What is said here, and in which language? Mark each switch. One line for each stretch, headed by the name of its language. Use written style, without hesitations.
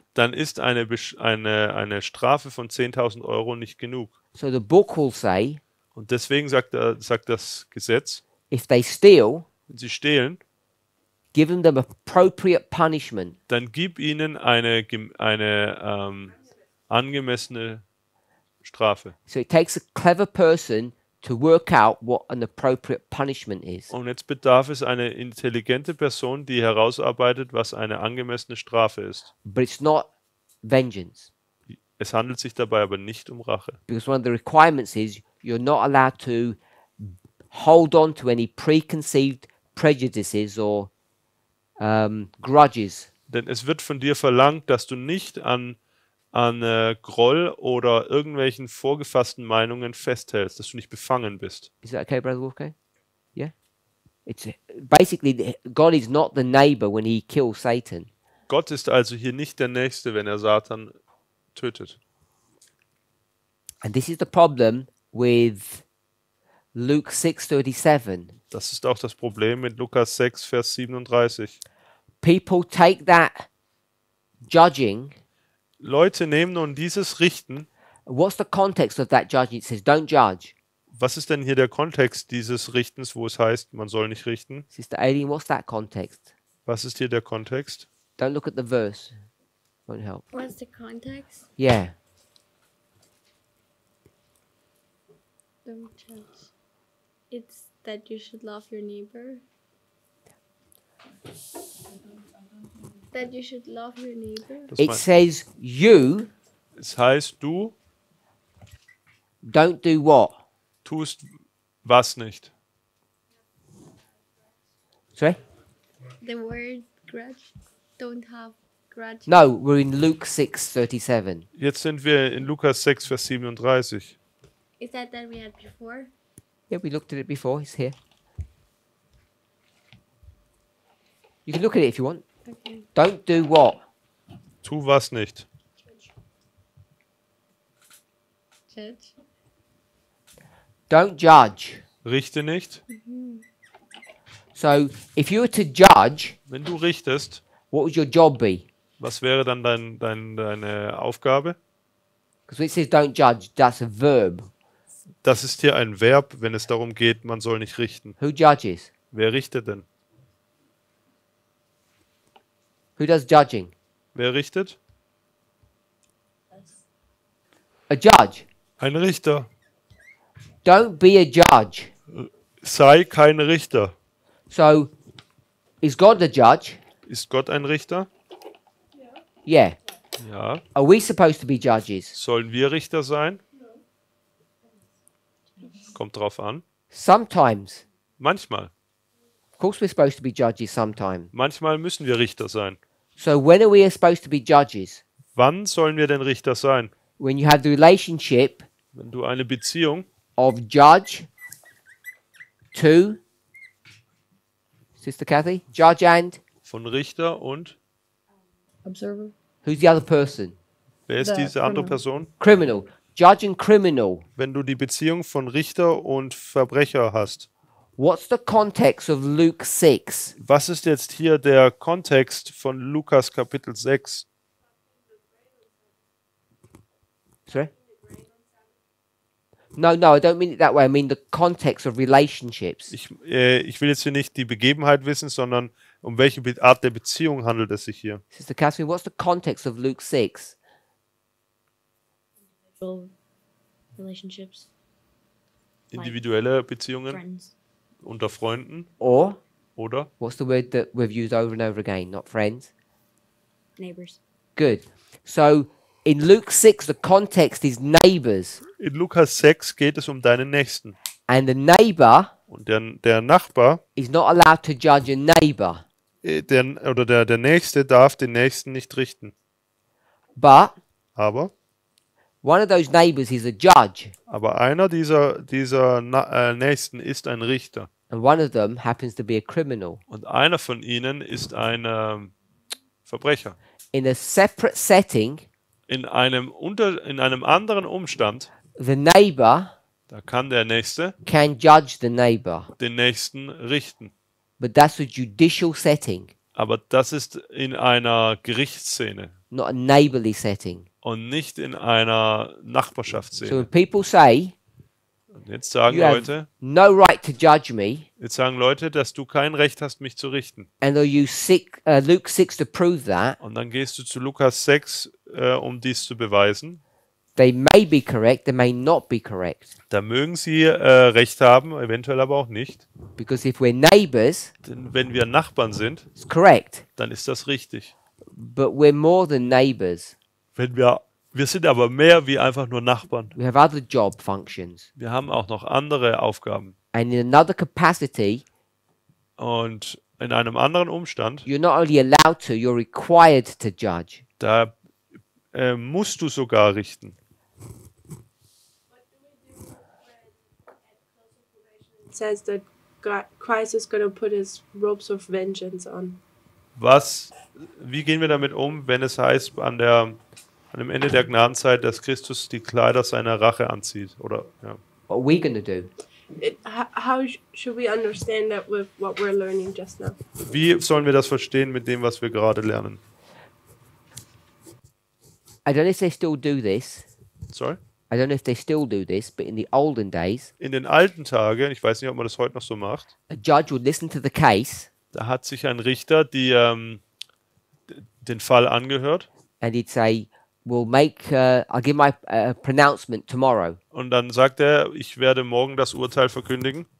German: Dann ist eine Strafe von 10.000 Euro nicht genug.
English: So the book will say.
German: Und deswegen sagt das Gesetz.
English: If they steal.
German: Wenn sie stehlen.
English: Give them appropriate punishment.
German: Dann gib ihnen eine angemessene Strafe.
English: So it takes a clever person to work out what an appropriate punishment is.
German: Und jetzt bedarf es eine intelligente Person, die herausarbeitet, was eine angemessene Strafe ist.
English: But it's not vengeance.
German: Es handelt sich dabei aber nicht um Rache.
English: Because one of the requirements is you're not allowed to hold on to any preconceived prejudices or grudges.
German: Denn es wird von dir verlangt, dass du nicht an Groll oder irgendwelchen vorgefassten Meinungen festhältst, dass du nicht befangen bist.
English: Is that okay, Brother Wolfgang? Yeah? It's basically, God is not the neighbor when he kills Satan.
German: Gott ist also hier nicht der Nächste, wenn er Satan tötet.
English: And this is the problem with Luke 6:37.
German: Das ist auch das Problem mit Lukas 6, Vers 37.
English: People take that judging.
German: Leute nehmen nun dieses Richten.
English: What's the context of that judging? It says, don't judge.
German: Was ist denn hier der Kontext dieses Richtens, wo es heißt, man soll nicht richten?
English: Sister Aileen, what's that context?
German: Was ist hier der Kontext?
English: Don't look at the verse. Won't help. What's the context? Yeah. Don't judge. It's that you should love your neighbor. That you should love your neighbor. It says you.
German: Es heißt du.
English: Don't do what?
German: Tust was nicht.
English: Sorry? The word grudge. Don't have grudge. No, we're in Luke 6:37.
German: Jetzt sind wir in Lukas 6, Vers 37.
English: Is that that we had before? Yeah, we looked at it before. It's here. You can look at it if you want. Okay. Don't do what?
German: Tu was nicht.
English: Judge. Don't judge.
German: Richte nicht.
English: So, if you were to judge,
German: wenn du richtest,
English: what would your job be?
German: Was wäre dann deine Aufgabe?
English: Because it says don't judge, that's a verb.
German: Das ist hier ein Verb, wenn es darum geht, man soll nicht richten.
English: Who judges?
German: Wer richtet denn?
English: Who does judging?
German: Wer richtet?
English: A judge.
German: Ein Richter.
English: Don't be a judge.
German: Sei kein Richter.
English: So, is God the judge?
German: Ist Gott ein Richter?
English: Yeah.
German: Ja.
English: Are we supposed to be judges?
German: Sollen wir Richter sein? Kommt drauf an.
English: Sometimes.
German: Manchmal.
English: Of course we're supposed to be judges sometime.
German: Manchmal müssen wir Richter sein.
English: So when are we supposed to be judges?
German: Wann sollen wir denn Richter sein?
English: When you have the relationship.
German: Wenn du eine Beziehung.
English: Of judge to Sister Kathy, judge and
German: von Richter und
English: observer. Who's the other person?
German: Wer ist diese andere Person?
English: Criminal. Judge and criminal.
German: Wenn du die Beziehung von Richter und Verbrecher hast.
English: What's the context of Luke 6?
German: Was ist jetzt hier der Kontext von Lukas Kapitel 6?
English: Sorry? No, I don't mean it that way. I mean the context of relationships.
German: Ich will jetzt hier nicht die Begebenheit wissen, sondern um welche Art der Beziehung handelt es sich hier?
English: Sister Cassie, what's the context of Luke 6? Relationships.
German: Individuelle Beziehungen.
English: Friends.
German: Unter Freunden.
English: Or.
German: Oder.
English: What's the word that we've used over and over again? Not friends. Neighbors. Good. So in Luke 6, the context is neighbors.
German: In Lukas 6 geht es um deinen Nächsten.
English: And the neighbor.
German: Und der Nachbar.
English: Is not allowed to judge a neighbor.
German: Der Nächste darf den Nächsten nicht richten.
English: But.
German: Aber.
English: One of those neighbors is a judge.
German: Aber einer dieser Nächsten ist ein Richter.
English: And one of them happens to be a criminal.
German: Und einer von ihnen ist ein Verbrecher.
English: In a separate setting.
German: In einem anderen Umstand.
English: The neighbor.
German: Da kann der Nächste.
English: Can judge the neighbor.
German: Den Nächsten richten.
English: But that's a judicial setting.
German: Aber das ist in einer Gerichtsszene.
English: Not a neighborly setting.
German: Und nicht in einer Nachbarschaftsszene.
English: So when people say,
German: jetzt sagen you Leute,
English: have no right to judge me.
German: Jetzt sagen Leute, dass du kein Recht hast, mich zu richten.
English: And they'll use Luke 6 to prove that.
German: Und dann gehst du zu Lukas 6, um dies zu beweisen.
English: They may be correct, they may not be correct.
German: Da mögen sie Recht haben, eventuell aber auch nicht.
English: Because if we're neighbors,
German: denn wenn wir Nachbarn sind,
English: it's correct.
German: Dann ist das richtig.
English: But we're more than neighbors.
German: Wir sind aber mehr wie einfach nur Nachbarn.
English: We have other job functions.
German: Wir haben auch noch andere Aufgaben.
English: And in another capacity,
German: und in einem anderen Umstand,
English: you're not only allowed to, you're required to judge.
German: Da musst du sogar richten.
English: It says that Christ is going to put his robes of vengeance on.
German: Wie gehen wir damit um, wenn es heißt, an dem Ende der Gnadenzeit, dass Christus die Kleider seiner Rache anzieht, oder? Ja.
English: What are we going to do? How should we understand that with what we're learning just now?
German: Wie sollen wir das verstehen mit dem, was wir gerade lernen?
English: I don't know if they still do this. Sorry? I don't know if they still do this, but in the olden days.
German: In den alten Tagen, ich weiß nicht, ob man das heute noch so macht.
English: A judge would listen to the case.
German: Da hat sich ein Richter den Fall angehört.
English: And he'd say, I'll give my pronouncement tomorrow.
German: Und dann sagt er, ich werde morgen das Urteil verkündigen.